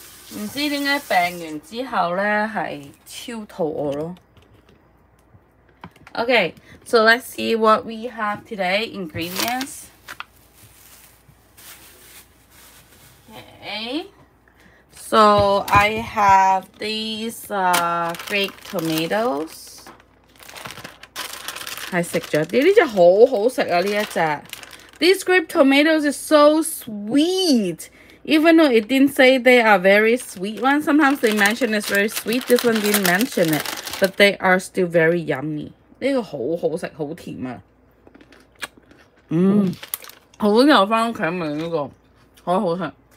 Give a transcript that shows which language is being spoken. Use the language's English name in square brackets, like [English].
[Cantonese] 唔知點解病完之後呢係超肚餓囉。 [English] Okay, so let's see what we have today. Ingredients. Okay. So I have these grape tomatoes. [Cantonese] 係食咗啲，呢隻好好食啊，呢一隻。 [English] These grape tomatoes is so sweet. Even though it didn't say they are very sweet ones, sometimes they mention it's very sweet. This one didn't mention it, but they are still very yummy. [Cantonese] 呢個好好食，好甜啊！好想有番茄味呢個，好好食。